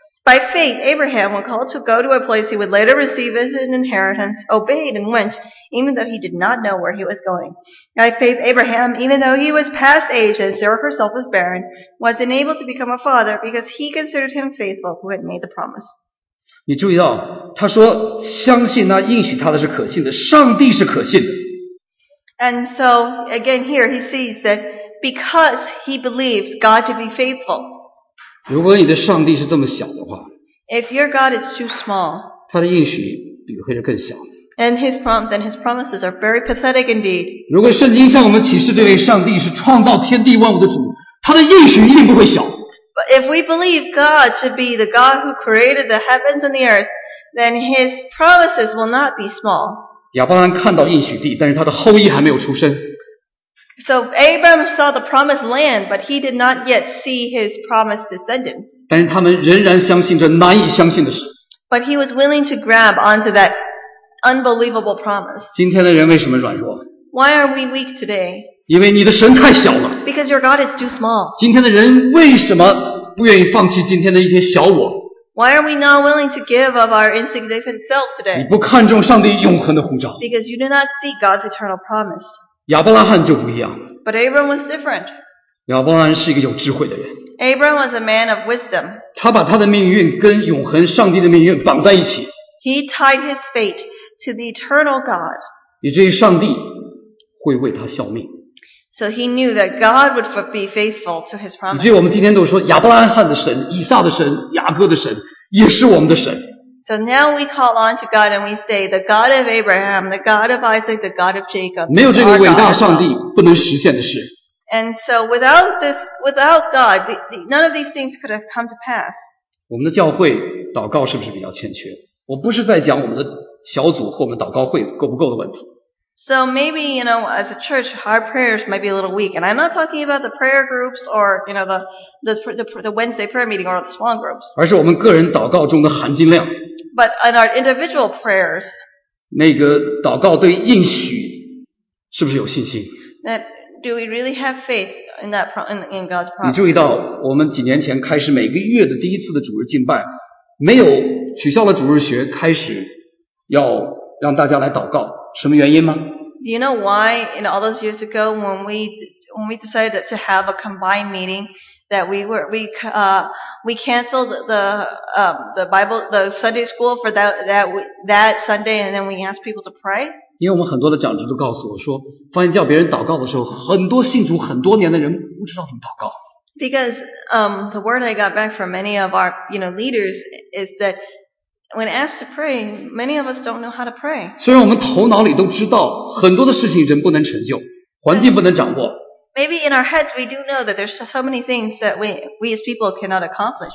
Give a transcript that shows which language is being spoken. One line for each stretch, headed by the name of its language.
English: By faith, Abraham, when called to go to a place he would later receive as an inheritance, obeyed and went, even though he did not know where he was going. By faith, Abraham, even though he was past age and Sarah herself was barren, was enabled to become a father because he considered him faithful who had made the promise.
Chinese: 你注意到，他说，相信那应许他的是可信的，上帝是可信的。
English: And so, again here, he sees that because he believes God to be faithful.
Chinese: 如果你的上帝是这么小的话，
English: if your God is too small,
Chinese: 他的应许比会是更小。
English: And his promises are very pathetic indeed.
Chinese: 如果圣经向我们启示这位上帝是创造天地万物的主，他的应许一定不会小。
English: But if we believe God to be the God who created the heavens and the earth, then his promises will not be small.
Chinese: 亚伯拉罕看到应许地，但是他的后裔还没有出生。
English: So Abraham saw the promised land, but he did not yet see his promised descendants.
Chinese: 但是他们仍然相信这难以相信的事。
English: But he was willing to grab onto that unbelievable promise.
Chinese: 今天的人为什么软弱？
English: Why are we weak today?
Chinese: 因为你的神太小了。
English: Because your God is too small.
Chinese: 今天的人为什么不愿意放弃今天的一些小我？
English: Why are we not willing to give of our insignificant self today?
Chinese: 你不看重上帝永恒的呼召。
English: Because you do not see God's eternal promise.
Chinese: 亚伯拉罕就不一样。
English: But Abraham was different.
Chinese: 亚伯拉罕是一个有智慧的人。
English: Abraham was a man of wisdom.
Chinese: 他把他的命运跟永恒上帝的命运绑在一起。
English: He tied his fate to the eternal God.
Chinese: 以至于上帝会为他效命。
English: So he knew that God would be faithful to his promise.
Chinese: 以至于我们今天都说亚伯拉罕的神、以撒的神、雅各的神也是我们的神。
English: So now we call on to God and we say the God of Abraham, the God of Isaac, the God of Jacob.
Chinese: 没有这个伟大上帝不能实现的事。
English: And so without this, without God, none of these things could have come to pass.
Chinese: 我们的教会祷告是不是比较欠缺？我不是在讲我们的小组或我们祷告会够不够的问题。
English: So maybe, you know, as a church, our prayers might be a little weak. And I'm not talking about the prayer groups or, you know, the Wednesday prayer meeting or the small groups.
Chinese: 而是我们个人祷告中的含金量。
English: But in our individual prayers,
Chinese: 那个祷告对应许是不是有信心？
English: That, do we really have faith in, that, in God's promise?
Chinese: 你注意到我们几年前开始每个月的第一次的主日敬拜，没有取消了主日学，开始要让大家来祷告。什么原因吗？
English: Do you know why in all those years ago when we decided to have a combined meeting that we canceled the Bible the Sunday school for that Sunday and then we asked people to pray?
Chinese: 因为我们很多的长者都告诉我说，发现叫别人祷告的时候，很多信主很多年的人不知道怎么祷告。
English: Because the word I got back from many of our you know leaders is that. When asked to pray, many of us don't know how to pray.
Chinese: 虽然我们头脑里都知道很多的事情人不能成就，环境不能掌握。
English: Maybe in our heads we do know that there's so many things that we as people cannot accomplish.